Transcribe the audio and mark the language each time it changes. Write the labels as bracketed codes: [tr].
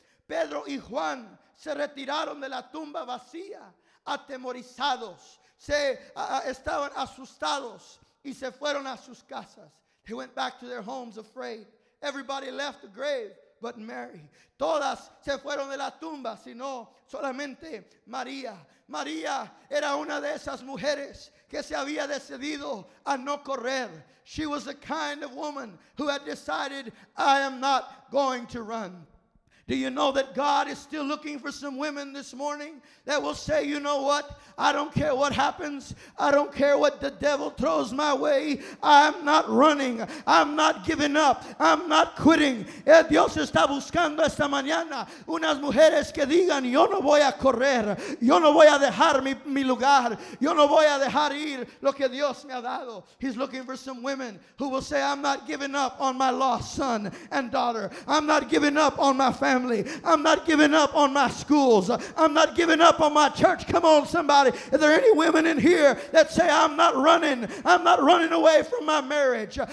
[es] Pedro y Juan se retiraron de la tumba vacía, atemorizados. Estaban asustados y se fueron a sus casas. [en] They went back to their homes afraid. Everybody left the grave but Mary. [es] Todas se fueron de la tumba, sino solamente María. María era una de esas mujeres que se había decidido a no correr. [en] She was the kind of woman who had decided, I am not going to run. Do you know that God is still looking for some women this morning that will say, you know what? I don't care what happens. I don't care what the devil throws my way. I'm not running. I'm not giving up. I'm not quitting. [es] Dios está buscando esta mañana unas mujeres que digan, yo no voy a correr. Yo no voy a dejar mi lugar. Yo no voy a dejar ir lo que Dios me ha dado. [en] He's looking for some women who will say, I'm not giving up on my lost son and daughter. I'm not giving up on my family. I'm not giving up on my schools. I'm not giving up on my church. Come on, somebody. Are there any women in here that say, I'm not running. I'm not running away from my marriage.